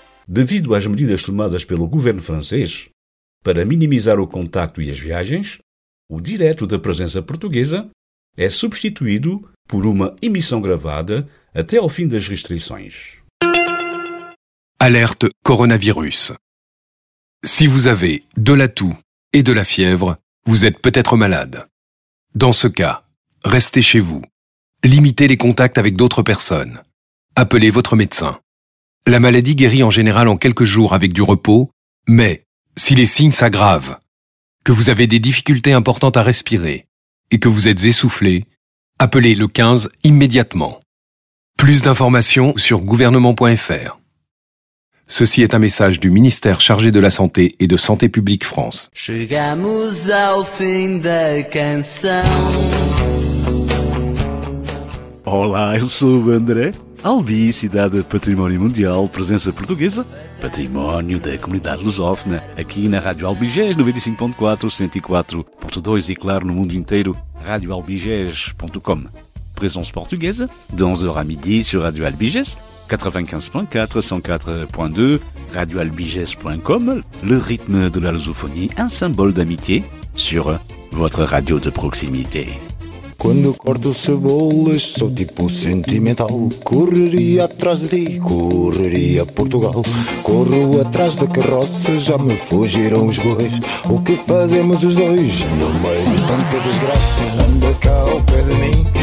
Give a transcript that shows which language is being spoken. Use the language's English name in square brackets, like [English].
[Portuguese] Devido às medidas tomadas pelo governo francês para minimizar o contacto e as viagens, o direto da presença portuguesa é substituído por uma emissão gravada até ao fim das restrições. [French] Alerte coronavirus. Si vous avez de la toux et de la fièvre, vous êtes peut-être malade. Dans ce cas, restez chez vous. Limitez les contacts avec d'autres personnes. Appelez votre médecin. La maladie guérit en général en quelques jours avec du repos, mais si les signes s'aggravent, que vous avez des difficultés importantes à respirer et que vous êtes essoufflé, appelez le 15 immédiatement. Plus d'informations sur gouvernement.fr. Ceci est un message du ministère chargé de la Santé et de Santé publique France. [Portuguese] Chegamos ao fim da canção. Olá, eu sou o André. Albi, cidade património mundial, presença portuguesa, património da comunidade lusófona, aqui na Rádio Albigés 95.4, 104.2 e claro no mundo inteiro, radioalbigés.com. [French] Presença portuguesa, de 11h à midi sur Rádio Albigés, 95.4, 104.2, radioalbigés.com, le rythme de la lusophonie, un symbole d'amitié, sur votre radio de proximité. [Portuguese] Quando corto cebolas, sou tipo sentimental. Correria atrás de ti, correria Portugal. Corro atrás da carroça, já me fugiram os bois. O que fazemos os dois? No meio de tanta desgraça, anda cá ao pé de mim.